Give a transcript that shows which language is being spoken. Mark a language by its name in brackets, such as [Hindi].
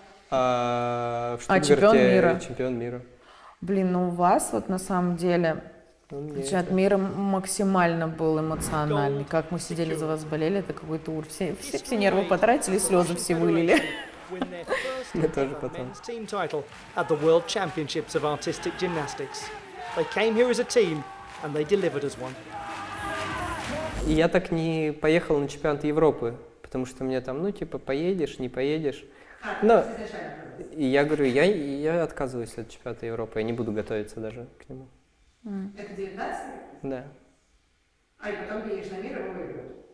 [Russian] А чемпион мира. Чемпион мира. Блин, ну у вас вот на самом деле чемпионат мира максимально был эмоциональный. Как мы сидели за вас, болели, это какой-то уровень. Все нервы потратили, слезы все вылили. Мне тоже потом. [English] Team title at the World Championships of Artistic Gymnastics. They came here as a team, and they delivered as one. [Russian] И я так не поехал на чемпионат Европы, потому что мне там, ну, типа, поедешь, не поедешь. Но и я говорю, я отказываюсь от чемпионата Европы, я не буду готовиться даже к нему. Это 19? Да. А и потом едешь на мир и выиграешь.